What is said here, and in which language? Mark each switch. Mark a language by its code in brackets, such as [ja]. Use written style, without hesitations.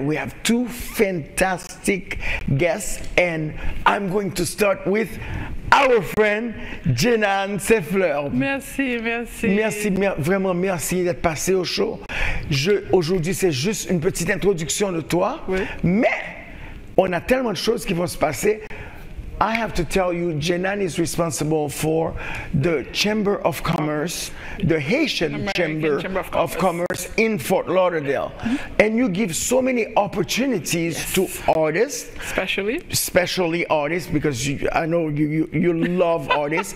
[en] We have two fantastic guests, and I'm going to start with our friend, Jenan Seffler. [fr] Merci, merci. Merci, vraiment merci d'être passé au show. Aujourd'hui, c'est juste une petite introduction de toi, oui. Mais on a tellement de choses qui vont se passer. [en] I have to tell you, Jenan is responsible for the Chamber of Commerce, the Haitian Chamber of Commerce in Fort Lauderdale. And you give so many opportunities to artists. Especially artists, because I know you love artists.